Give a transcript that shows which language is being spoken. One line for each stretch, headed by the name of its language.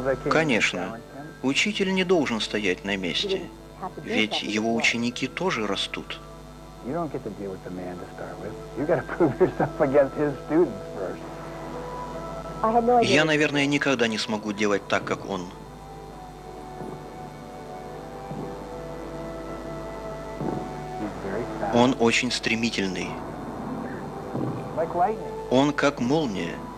Russian: Конечно, учитель не должен стоять на месте, ведь его ученики тоже растут.
English: You don't get to deal with the man to start with. You got to prove yourself against his students first.
Russian: Я, наверное, никогда не смогу делать так, как он. Он очень стремительный.
English: Like lightning.
Russian: Он как молния.